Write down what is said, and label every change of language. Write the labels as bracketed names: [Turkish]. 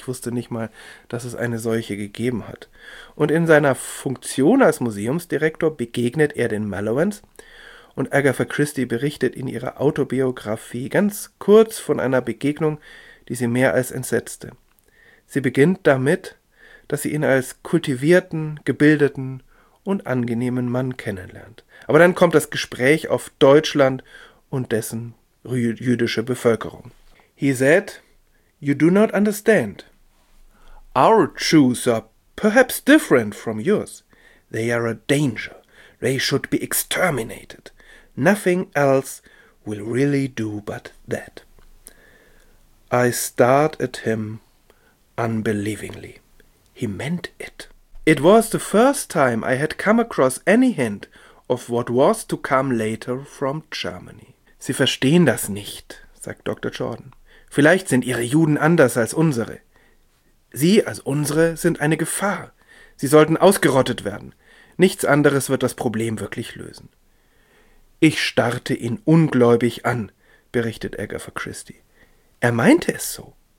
[German] Ich wusste nicht mal, dass es eine solche gegeben hat. Und in seiner Funktion als Museumsdirektor begegnet er den Malowans und Agatha Christie berichtet in ihrer Autobiografie ganz kurz von einer Begegnung, die sie mehr als entsetzte. Sie beginnt damit, dass sie ihn als kultivierten, gebildeten und angenehmen Mann kennenlernt. Aber dann kommt das Gespräch auf Deutschland und dessen jüdische Bevölkerung. [English] He said, "You do not understand. Our Jews are perhaps different from yours. They are a danger. They should be exterminated. Nothing else will really do but that." I stared at him unbelievingly. He meant it. It was the first time I had come across any hint of what was to come later from Germany. [German] Sie verstehen das nicht, sagt Dr. Jordan. Vielleicht sind ihre Juden anders als unsere. Sie, als unsere, sind eine Gefahr. Sie sollten ausgerottet werden. Nichts anderes wird das Problem wirklich lösen. Ich starrte ihn ungläubig an, berichtet Agatha Christie. Er meinte es so.